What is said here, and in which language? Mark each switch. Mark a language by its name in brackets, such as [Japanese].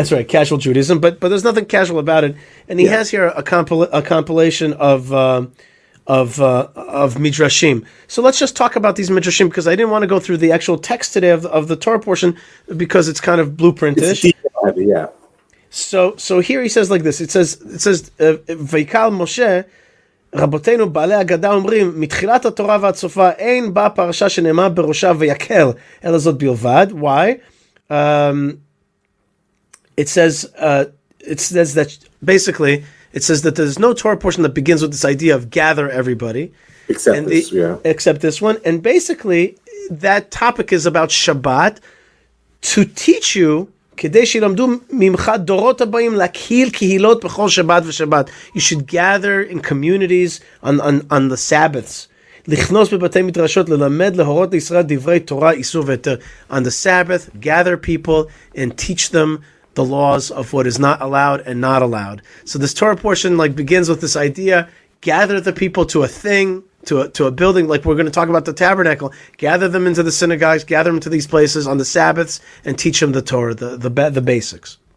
[English] That's right, casual Judaism. But there's nothing casual about it. And he has here a compilation of Midrashim. So let's just talk about these Midrashim, because I didn't want to go through the actual text today of the Torah portion, because it's kind of blueprintish. It's deep, yeah. So here he says like this. It says, [Hebrew] Veikal Moshe, רבותינו בעלי אגדה אומרים מתחילת התורה ועד סופה אין בה פרשה שנאמר בראשה ויקל אלא זאת בלבד. [English] Why? It says that basically it says that there's no Torah portion that begins with this idea of gather everybody except this one, and basically that topic is about Shabbat to teach you [Hebrew] כדי שילמדו ממך דורות הבאים להקהיל קהילות בכל שבת ושבת. [English] You should gather in communities on the Sabbaths. [Hebrew] לכנוס בבתי מדרשות, ללמד, להורות לישראל דברי תורה, איסור ויתר. [English] On the Sabbath, gather people and teach them the laws of what is not allowed and not allowed. So this Torah portion like begins with this idea, gather the people to a thing, to a building, like we're going to talk about the tabernacle, gather them into the synagogues, gather them to these places on the Sabbaths, and teach them the Torah, the basics.